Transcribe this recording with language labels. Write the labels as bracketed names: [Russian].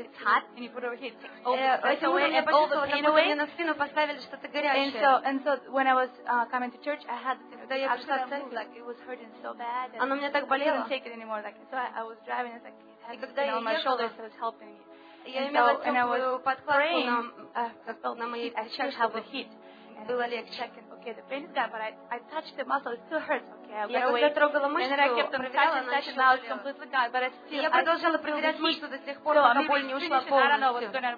[English] It's hot. And you put it over here. It takes away and all the pain away. And so when I was coming to church, I had this thing that like it was hurting so bad. And I couldn't take it anymore. Like, so I was driving. It's like it had this thing on my shoulder, so it was helping me. [Russian] Я имела теплую подкладку на моей плечах, чтобы было легче. [English] Okay, the pain is gone, but I touched the muscle, it still hurts. Okay, [Russian] я когда трогала мышцу, проверяла, она еще болит. Я продолжала проверять мышцу до тех пор, пока боль не ушла полностью.